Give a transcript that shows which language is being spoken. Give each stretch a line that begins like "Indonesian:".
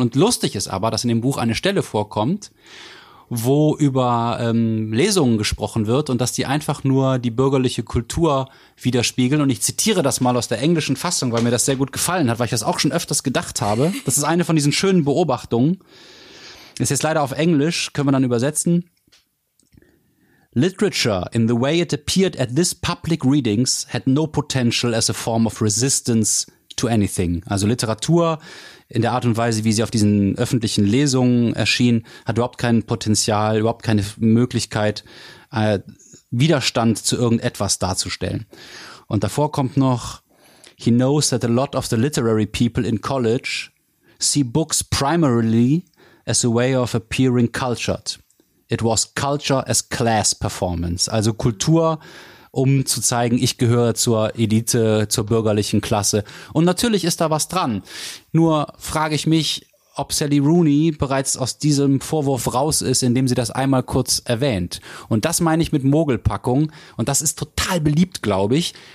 German: Und lustig ist aber, dass in dem Buch eine Stelle vorkommt, wo über Lesungen gesprochen wird und dass die einfach nur die bürgerliche Kultur widerspiegeln. Und ich zitiere das mal aus der englischen Fassung, weil mir das sehr gut gefallen hat, weil ich das auch schon öfters gedacht habe. Das ist eine von diesen schönen Beobachtungen. Ist jetzt leider auf Englisch, können wir dann übersetzen.
English: Literature, in the way it appeared at this public readings, had no potential as a form of resistance to anything.
German: Also Literatur in der Art und Weise, wie sie auf diesen öffentlichen Lesungen erschien, hat überhaupt kein Potenzial, überhaupt keine Möglichkeit, Widerstand zu irgendetwas darzustellen. Und davor kommt noch, he knows that a lot of the literary people in college see books primarily as a way of appearing cultured.
English: It was culture as class performance.
German: Also Kultur, um zu zeigen, ich gehöre zur Elite, zur bürgerlichen Klasse. Und natürlich ist da was dran. Nur frage ich mich, ob Sally Rooney bereits aus diesem Vorwurf raus ist, indem sie das einmal kurz erwähnt. Und das meine ich mit Mogelpackung. Und das ist total beliebt, glaube ich.